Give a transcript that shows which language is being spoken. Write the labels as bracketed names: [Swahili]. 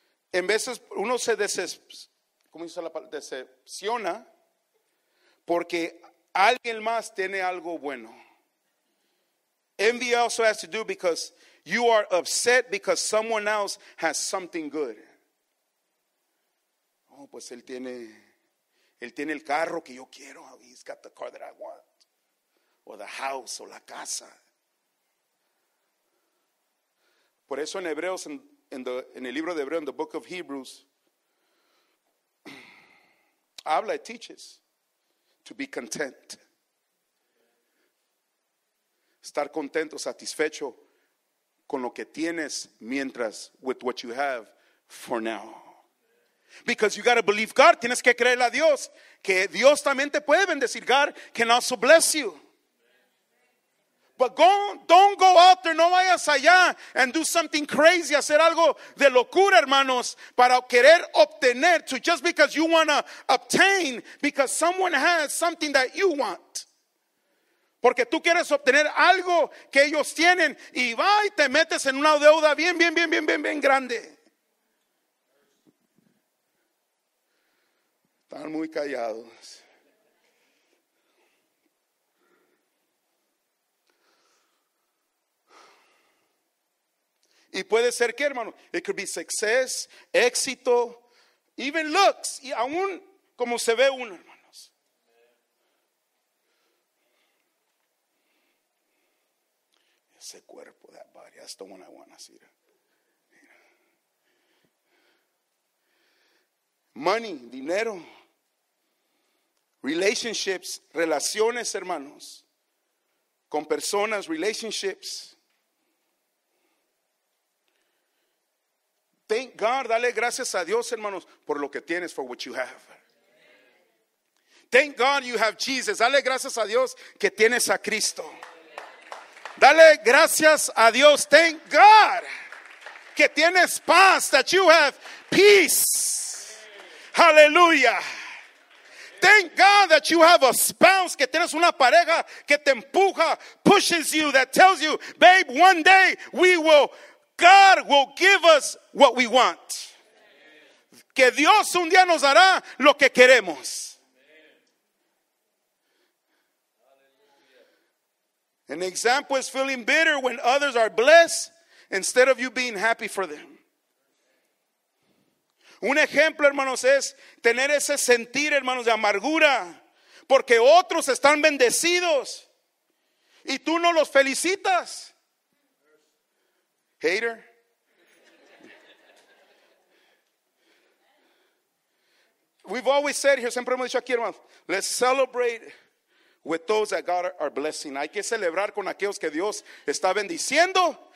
[Spanish] En veces uno se decepciona porque alguien más tiene algo bueno. [English] Envy also has to do because you are upset because someone else has something good. [Spanish] Oh, pues él tiene el carro que yo quiero. [English] He's got the car that I want. O the house, [Spanish] o la casa. Por eso en Hebreos, en el libro de Hebreos, en [English] the book of Hebrews, [Spanish] habla, [English] it teaches, to be content. [Spanish] Estar contento, satisfecho con lo que tienes mientras, [English] with what you have for now. Because you got to believe God, [Spanish] tienes que creer a Dios, que Dios también te puede bendecir. [English] God can also bless you. But don't go out there, [Spanish] no vayas allá [English] and do something crazy, [Spanish] hacer algo de locura, hermanos, para querer obtener, [English] to just because you want to obtain, because someone has something that you want. [Spanish] Porque tú quieres obtener algo que ellos tienen y va y te metes en una deuda bien grande. Están muy callados. Y puede ser que, hermano, [English] it could be success, [Spanish] éxito, [English] even looks, [Spanish] y aún como se ve uno, hermanos. Ese cuerpo, [English] that body, that's the one I want to see. Money, dinero, relationships, [Spanish] relaciones, hermanos, con personas, [English] relationships. Thank God, [Spanish] dale gracias a Dios, hermanos, por lo que tienes, [English] for what you have. Thank God you have Jesus. [Spanish] Dale gracias a Dios que tienes a Cristo. Dale gracias a Dios. [English] Thank God [Spanish] que tienes paz, [English] that you have peace. [Spanish] Hallelujah. [English] Thank God that you have a spouse, [Spanish] que tienes una pareja que te empuja, [English] pushes you, that tells you, babe, one day we will, God will give us what we want. [Spanish] Que Dios un día nos dará lo que queremos. [English] An example is feeling bitter when others are blessed instead of you being happy for them. [Spanish] Un ejemplo, hermanos, es tener ese sentir, hermanos, de amargura, porque otros están bendecidos y tú no los felicitas. [English] Hater. We've always said here, [Spanish] siempre hemos dicho aquí, hermanos, [English] let's celebrate with those that God are blessing. [Spanish] Hay que celebrar con aquellos que Dios está bendiciendo.